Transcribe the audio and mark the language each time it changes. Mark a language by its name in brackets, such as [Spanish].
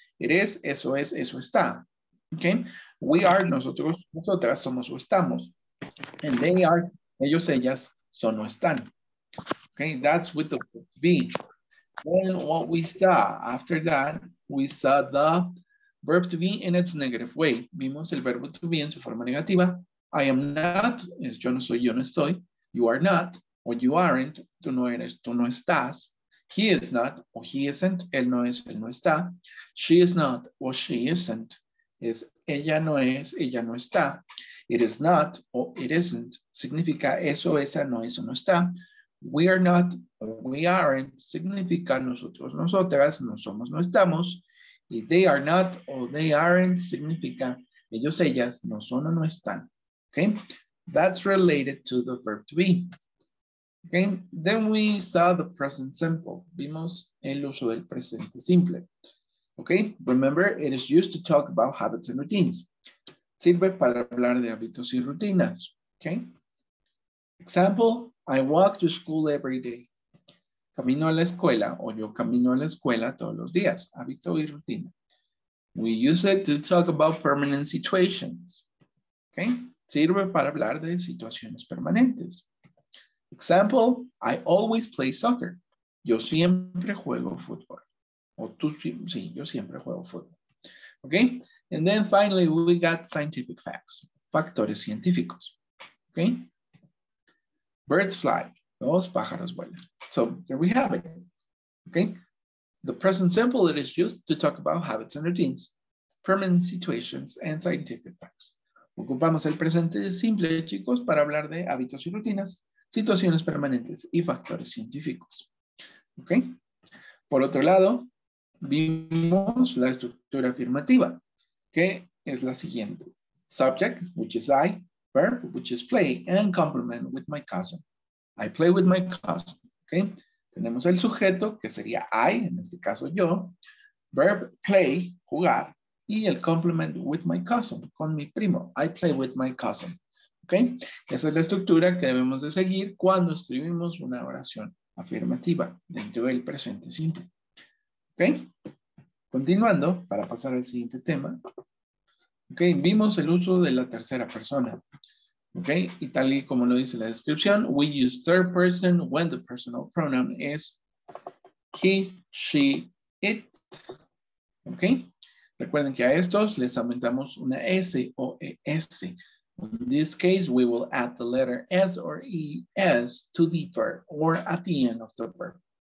[English] It is, [Spanish] eso es, eso está. Okay. [English] We are, [Spanish] nosotros, nosotras, somos o estamos. [English] And they are, [Spanish] ellos, ellas, son o están. [English] Okay, that's with the verb to be. Then what we saw after that, we saw the verb to be in its negative way. [Spanish] Vimos el verbo to be en su forma negativa. [English] I am not, [Spanish] es yo no soy, yo no estoy. [English] You are not. [Spanish] O [English] you aren't, [Spanish] tú no eres, tú no estás. [English] He is not, [Spanish] o [English] he isn't, [Spanish] él no es, él no está. [English] She is not, [Spanish] o [English] she isn't, [Spanish] es ella no es, ella no está. [English] It is not, [Spanish] o [English] it isn't, [Spanish] significa eso, esa, no es, o no está. [English] We are not, [Spanish] o [English] we aren't, [Spanish] significa nosotros, nosotras, no somos, no estamos. Y [English] they are not, [Spanish] o [English] they aren't, [Spanish] significa ellos, ellas, no son, o no están. [English] Okay, that's related to the verb to be. Okay, then we saw the present simple. [Spanish] Vimos el uso del presente simple. [English] Okay, remember, it is used to talk about habits and routines. [Spanish] Sirve para hablar de hábitos y rutinas. [English] Okay, example, I walk to school every day. [Spanish] Camino a la escuela, o yo camino a la escuela todos los días. Hábito y rutina. [English] We use it to talk about permanent situations. [Spanish] Okay, sirve para hablar de situaciones permanentes. [English] Example, I always play soccer. [Spanish] Yo siempre juego fútbol. O tú, sí, yo siempre juego fútbol. Okay? [English] And then finally, we got scientific facts. [Spanish] Factores científicos. [English] Okay? Birds fly. [Spanish] Los pájaros vuelan. [English] So, here we have it. Okay? The present simple, it is used to talk about habits and routines, permanent situations, and scientific facts. [Spanish] Ocupamos el presente simple, chicos, para hablar de hábitos y rutinas. Situaciones permanentes y factores científicos. ¿Ok? Por otro lado, vimos la estructura afirmativa, que es la siguiente. [English] Subject, which is I, verb, which is play, and complement with my cousin. I play with my cousin. ¿Ok? [Spanish] Tenemos el sujeto, que sería I, en este caso yo. Verb, play, jugar, y el complement [English] with my cousin, [Spanish] con mi primo. [English] I play with my cousin. [Spanish] Okay, esa es la estructura que debemos de seguir cuando escribimos una oración afirmativa dentro del presente simple. Okay, continuando para pasar al siguiente tema. Okay, vimos el uso de la tercera persona. Okay, y tal y como lo dice la descripción, [English] we use third person when the personal pronoun is he, she, it. [Spanish] Okay, recuerden que a estos les aumentamos una S o ES. [English] In this case, we will add the letter S or ES to the verb or at the end of the verb.